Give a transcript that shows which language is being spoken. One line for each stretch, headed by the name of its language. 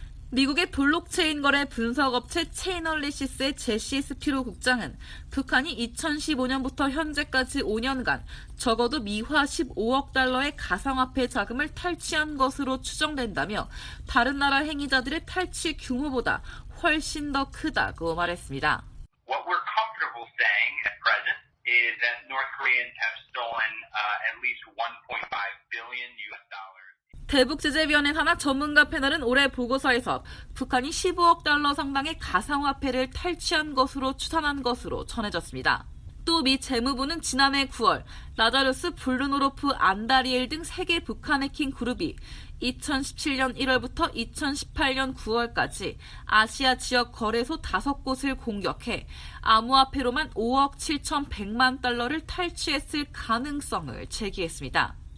Korean: 미국의 블록체인 거래 분석업체 체인얼리시스의 제시 스피로 국장은 북한이 2015년부터 현재까지 5년간 적어도 미화 15억 달러의 가상화폐 자금을 탈취한 것으로 추정된다며 다른 나라 행위자들의 탈취 규모보다 훨씬 더 크다고 말했습니다.
English: What we're comfortable saying at present is that North Koreans have stolen at least $1.5 billion.
Korean: 대북제재위원회 산하 전문가 패널은 올해 보고서에서 북한이 15억 달러 상당의 가상화폐를 탈취한 것으로 추산한 것으로 전해졌습니다. 또 미 재무부는 지난해 9월 라자루스, 블루노로프, 안다리엘 등 3개 북한 해킹 그룹이 2017년 1월부터 2018년 9월까지 아시아 지역 거래소 5곳을 공격해 암호화폐로만 5억 7,100만 달러를 탈취했을 가능성을 제기했습니다.